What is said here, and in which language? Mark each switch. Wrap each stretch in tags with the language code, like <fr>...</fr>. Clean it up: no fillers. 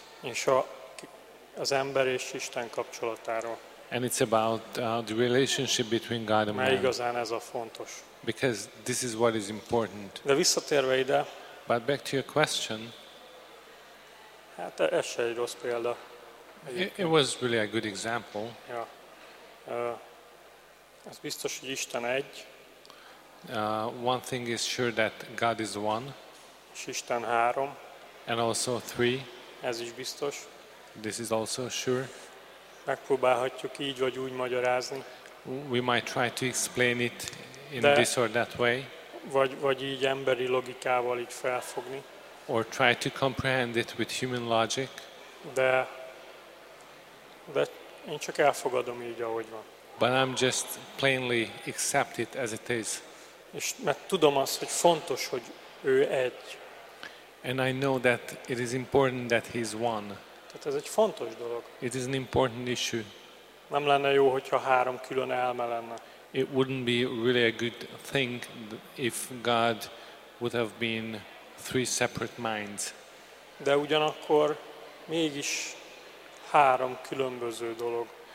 <hu>És az ember és Isten kapcsolatáról.</hu> <en>And it's about the relationship between God and man.</en> <hu>Igazán ez a fontos.</hu> <en>Because this is what is important.</en> <hu>De visszatérve ide.</hu> <en>But back to your question.</en> <hu>Hát ez se egy rossz példa.</hu> <en>It was really a good example.</en> <hu>Ja. Ez biztos, hogy Isten egy.</hu> <en>One thing is sure that God is one.</en> <hu>És Isten három.</hu> <en>And also three.</en> <hu>Ez is biztos.</hu> <en>This is also sure.</en> <hu>Megpróbálhatjuk így vagy úgy magyarázni.</hu> <en>We might try to explain it in this or that way.</en> <hu>Vagy így emberi logikával így felfogni.</hu> <en>Or try to comprehend it with human logic.</en> <hu>De én csak elfogadom így, ahogy van.</hu> <en>But I'm just plainly accept it as it is.</en> <hu>És mert tudom azt, hogy fontos, hogy ő egy.</hu> <en>And I know that it is important that he is one.</en> <hu>Tehát ez egy fontos dolog.</hu> <en>It is an important issue.</en> <hu>Nem lenne jó, hogyha három külön elme lenne.</hu> <en>It wouldn't be really a good thing if God would have been three separate minds.</en> <hu>De ugyanakkor mégis három különböző dolog.</hu>